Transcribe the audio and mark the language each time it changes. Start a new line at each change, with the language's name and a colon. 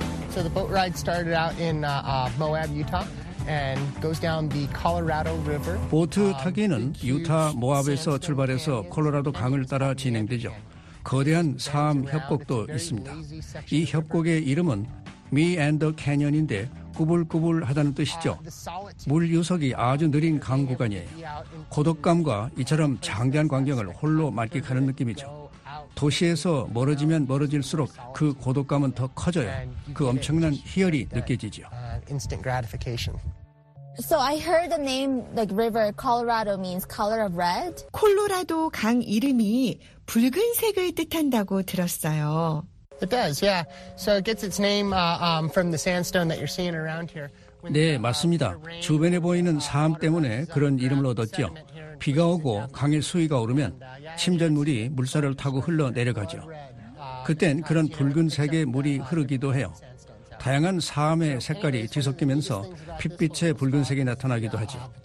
English: So the boat ride started out in Moab, Utah, and goes down the Colorado River.
Korean: 보트 타기는 유타 모압에서 출발해서 콜로라도 강을 따라 진행되죠. 거대한 사암 협곡도 있습니다. 이 협곡의 이름은 Me and the Canyon인데 꾸불꾸불하다는 뜻이죠. 물 유속이 아주 느린 강 구간이에요. 고독감과 이처럼 장대한 광경을 홀로 만끽하는 느낌이죠. 도시에서 멀어지면 멀어질수록 그 고독감은 더 커져요. 그 엄청난 희열이 느껴지죠.
English: Instant gratification. So I heard the name like river Colorado means color of red.
Korean: 콜로라도 강 이름이 붉은색을 뜻한다고 들었어요.
English: It does. Yeah. So it gets its name from the sandstone that you're seeing around here.
Korean: 네, 맞습니다. 주변에 보이는 사암 때문에 그런 이름을 얻었죠. 비가 오고 강의 수위가 오르면 침전물이 물살을 타고 흘러내려가죠. 그땐 그런 붉은색의 물이 흐르기도 해요. 다양한 사암의 색깔이 뒤섞이면서 핏빛의 붉은색이 나타나기도 하죠.